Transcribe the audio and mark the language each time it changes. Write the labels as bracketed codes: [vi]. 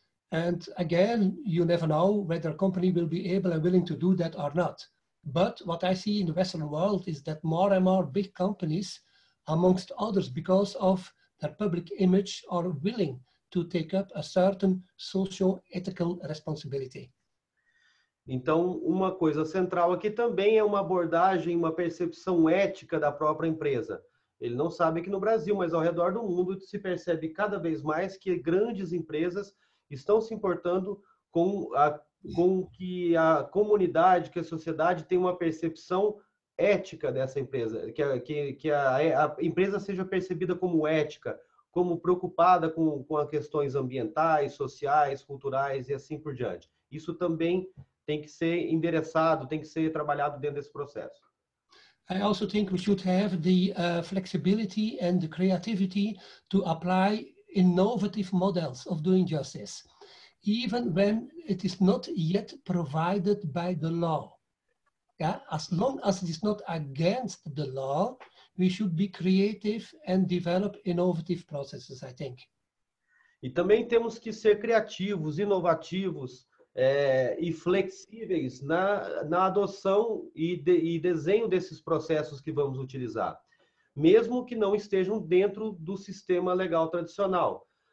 [en] And again, you never know whether a company will be able and willing to do that or not. But what I see in the Western world is that more and more big companies, amongst others, because of their public image, are willing to take up a certain social ethical responsibility. [pt] Então, uma coisa central aqui também é uma abordagem, uma percepção ética da própria empresa. Ele não sabe que no Brasil, mas ao redor do mundo, se percebe cada vez mais que grandes empresas estão se importando com que a comunidade, que a sociedade tem uma percepção ética dessa empresa, que a empresa seja percebida como ética, como preocupada com as questões ambientais, sociais, culturais e assim por diante. Isso também tem que ser endereçado, tem que ser trabalhado dentro desse processo. [en] I also think we should have the flexibility and the creativity to apply innovative models of doing justice, even when it is not yet provided by the law. Yeah? As long as it is not against the law, we should be creative and develop innovative processes, I think. [pt] E também temos que ser criativos, inovativos, e flexíveis na adoção e desenho desses processos que vamos utilizar, mesmo que não estejam dentro do sistema legal tradicional.